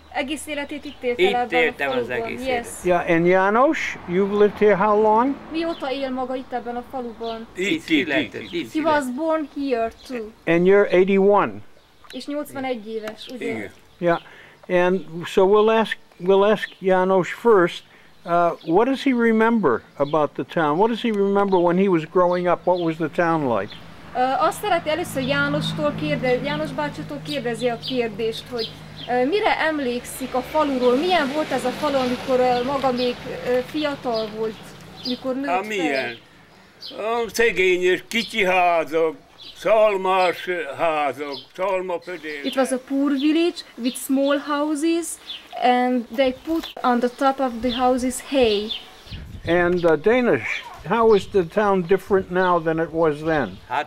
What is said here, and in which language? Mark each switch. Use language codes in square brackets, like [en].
[hu] Egész életét itt élt el ebben a faluban. [en] Yes. Yeah, and Janos, you've lived here how long? [hu] Mióta él maga itt ebben a faluban? Itt. [en] He was born here too. And you're 81. [hu] És 81 éves, ugye? [en] Yeah. And so we'll ask Janos first, what does he remember about the town? What does he remember when he was growing up? What was the town like? [hu] Azt szereti először János bácsitól kérdezi a kérdést, hogy mire emlékszik a faluról? Milyen volt ez a falu, amikor maga még fiatal volt, mikor nőtt fel? Milyen? Szegényes, kicsi házak, szalmás házak, szalmapödés. [en] It was a poor village with small houses, and they put on the top of the houses hay. And Danesh, how is the town different now than it was then?